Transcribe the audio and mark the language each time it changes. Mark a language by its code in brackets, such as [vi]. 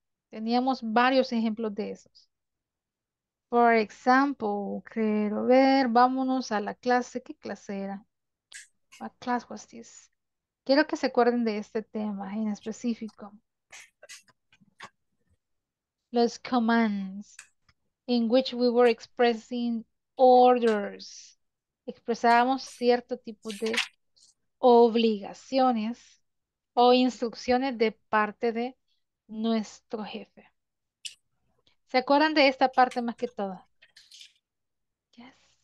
[es] Teníamos varios ejemplos de esos. [en] For example, [es] quiero ver, vámonos a la clase. ¿Qué clase era? [en] What class was this? [es] Quiero que se acuerden de este tema en específico. [en] Los commands, in which we were expressing orders. [es] Expresábamos cierto tipo de obligaciones o instrucciones de parte de nuestro jefe. ¿Se acuerdan de esta parte más que todo? [en] Yes.